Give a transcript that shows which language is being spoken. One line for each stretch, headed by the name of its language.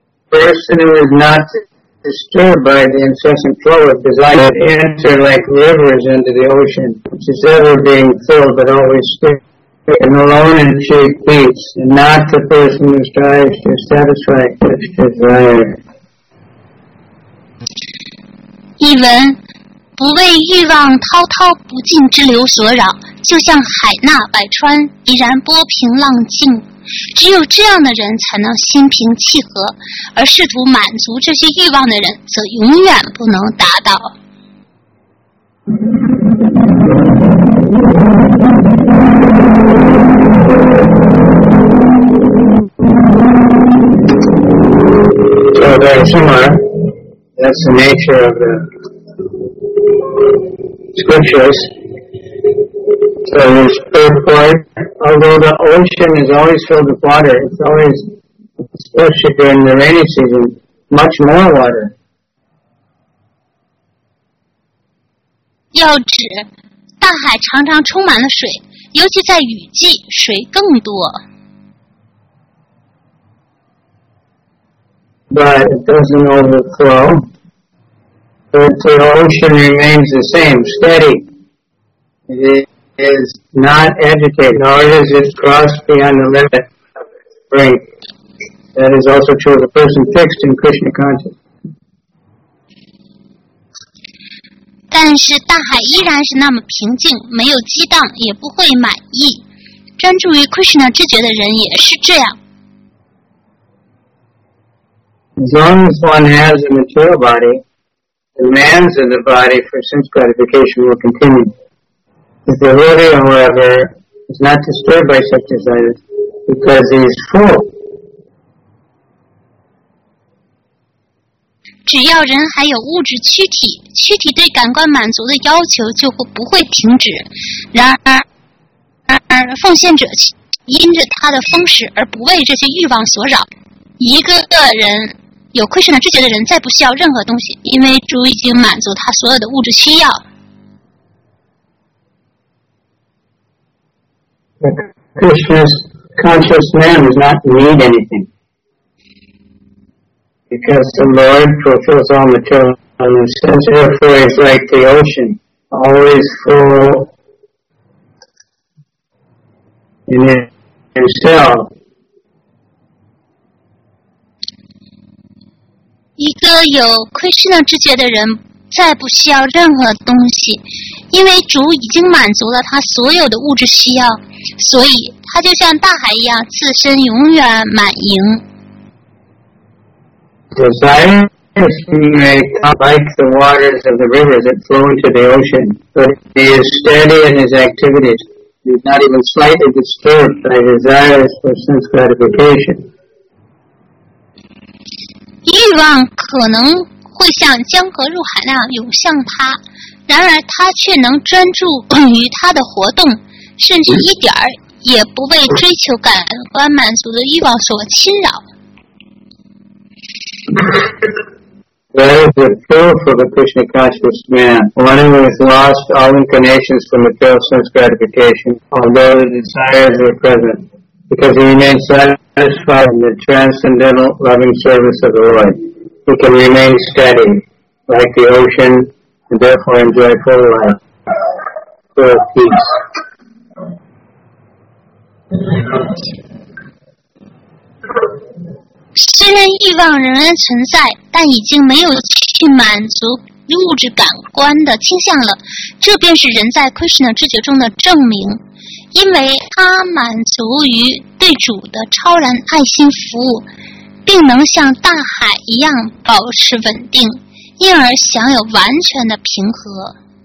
English: Person who is not disturbed by the incessant flow of desire that enter like rivers into the ocean, which is ever being filled but always still, and alone in cheap peace, and not the person who strives to satisfy such desire.
Chinese: 一文，不为欲望滔滔不尽之流所扰，就像海纳百川，依然波平浪静。只有这样的人才能心平气和，而试图满足这些欲望的人，则永远不能达到。
English: That's the nature of the scriptures. So this third point, although the ocean is always filled with water, it's always, especially during the rainy season, much more water. 要指大海常常充满了水，尤其在雨季，水更多。 But it doesn't overflow. But the ocean remains the same, steady. It is not agitated, nor does it cross beyond the limit of its brink. That is also true of a person fixed in Krishna consciousness.
Chinese: 但是大海依然是那么平静，没有激荡，也不会满意。专注于 Krishna 知觉的人也是这样。
English: As long as one has a material body, the demands of the body for sense gratification will continue. The devotee, however, is not disturbed by such desires because he is full.
Chinese: 只要人还有物质躯体，躯体对感官满足的要求就不会停止。然而奉献者因着他的丰实而不为这些欲望所扰。一个人有亏损的知觉的人再不需要任何东西，因为主已经满足他所有的物质需要。
English: Krishna's conscious man does not need anything because the Lord fulfills all material needs. Therefore, he's like the ocean, always full in himself.
Chinese: 一个有 Krishna 知觉的人再不需要任何东西，因为主已经满足了他所有的物质需要，所以他就像大海一样自身永远满盈。
English: Krishna Desire is like the waters of the river that flow into the ocean, but he is steady in his activities. He is not even slightly disturbed by desires for sense gratification.
Chinese: 欲望可能会像江河入海那样涌向他，然而他却能专注于他的活动，甚至一点儿也不被追求感官满足的欲望所侵扰。
English: That is the proof of a Krishna conscious man, one who has lost all inclinations for material sense gratification, although the desires are present, because he remains satisfied in the transcendental loving service of the Lord. He can remain steady, like the ocean, and therefore enjoy full life, full of peace.
Chinese: 虽然欲望仍然存在，但已经没有去满足物质感官的倾向了。这便是人在 Krishna 知觉中的证明，因为他满足于对主的超然爱心服务，并能像大海一样保持稳定，因而享有完全的平和。